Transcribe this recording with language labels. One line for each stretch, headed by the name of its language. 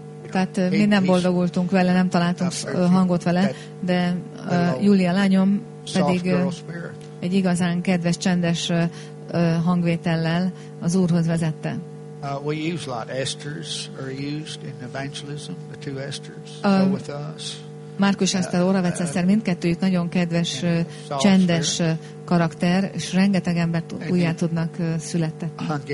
Hungarian: Tehát mi nem boldogultunk vele, nem találtunk hangot vele, de Julia lányom pedig egy igazán kedves, csendes hangvétellel az Úrhoz vezette.
English: We use a lot. Esters are used in evangelism. The two Esters go with us.
Hungarian: Márkus Eszter, Oravec Eszter, mindkettőjük nagyon kedves, csendes karakter, és rengeteg embert újjá tudnak születtetni.